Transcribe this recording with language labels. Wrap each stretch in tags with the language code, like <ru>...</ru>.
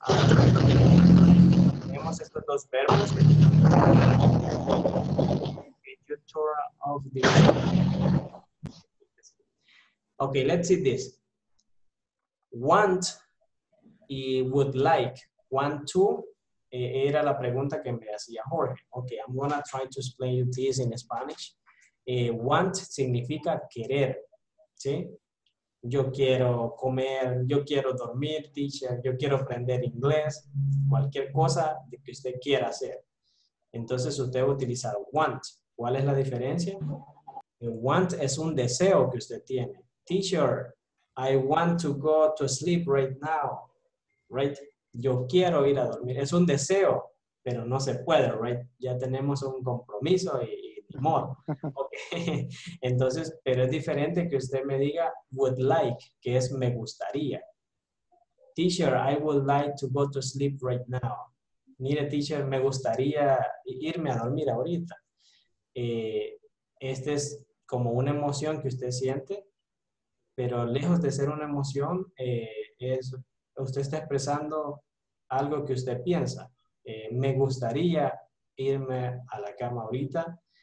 <es>Tenemos estos dos verbos.</es> <en>You tore off the. Okay, let's see this.</en> <es>Want y would like. Want to, era la pregunta que me hacía Jorge.</es> <en>Okay, I'm gonna try to explain you this in Spanish.</en> <es>Want significa querer, ¿sí? Yo quiero comer, yo quiero dormir, teacher, yo quiero aprender inglés, cualquier cosa de que usted quiera hacer. Entonces usted va a utilizar want. ¿Cuál es la diferencia? Want es un deseo que usted tiene.</es> <en>Teacher, I want to go to sleep right now, right?</en> <es>Yo quiero ir a dormir. Es un deseo, pero no se puede, right? Ya tenemos un compromiso y ni modo. Okay. Entonces, pero es diferente que usted me diga would like, que es me gustaría.</es> <en>Teacher, I would like to go to sleep right now.</en> <es>Mire, teacher, me gustaría irme a dormir ahorita. Este es como una emoción que usted siente. Pero lejos de ser una emoción, es, usted está expresando algo que usted piensa. Me gustaría irme a la cama ahorita.</es>